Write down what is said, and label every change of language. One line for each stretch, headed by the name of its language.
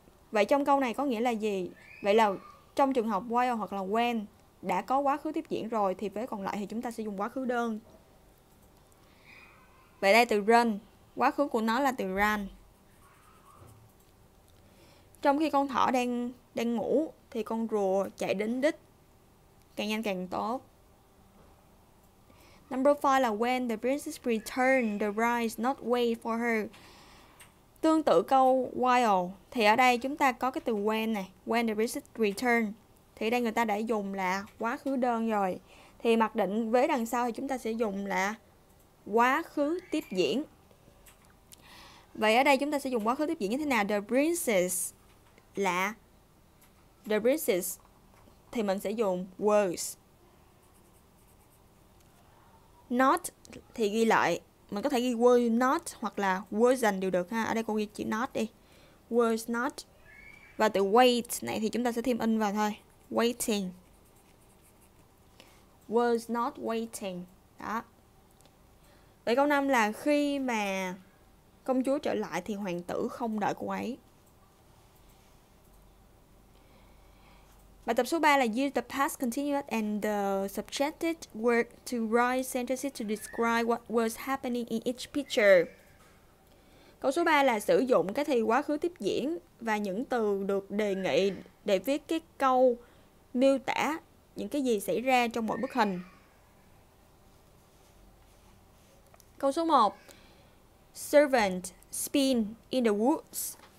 Vietnamese: Vậy trong câu này có nghĩa là gì? Vậy là trong trường hợp while hoặc là when đã có quá khứ tiếp diễn rồi thì với còn lại thì chúng ta sẽ dùng quá khứ đơn. Vậy đây từ run, quá khứ của nó là từ run. Trong khi con thỏ đang ngủ thì con rùa chạy đến đích càng nhanh càng tốt.
English: Number 5 là when the princess returned the bride not wait for her.
Vietnamese: Tương tự câu while thì ở đây chúng ta có cái từ when này,
English: when the visit return.
Vietnamese: Thì đây người ta đã dùng là quá khứ đơn rồi. Thì mặc định vế đằng sau thì chúng ta sẽ dùng là quá khứ tiếp diễn. Vậy ở đây chúng ta sẽ dùng quá khứ tiếp diễn như thế nào?
English: The princess
Vietnamese: là the princess thì mình sẽ dùng was. Not thì ghi lại. Mình có thể ghi
English: were not
Vietnamese: hoặc là
English: wasn't
Vietnamese: đều được ha. Ở đây cô ghi chữ not đi.
English: Was not.
Vietnamese: Và từ wait này thì chúng ta sẽ thêm in vào thôi. Waiting.
English: Was not waiting.
Vietnamese: Đó. Vậy câu 5 là khi mà công chúa trở lại thì hoàng tử không đợi cô ấy.
English: Bài tập số 3 là use the past continuous and the subjective verb to write sentences to describe what was happening in each picture.
Vietnamese: Câu số 3 là sử dụng cái thì quá khứ tiếp diễn và những từ được đề nghị để viết cái câu miêu tả những cái gì xảy ra trong mỗi bức hình. Câu số 1.
English: Servant spin in the woods.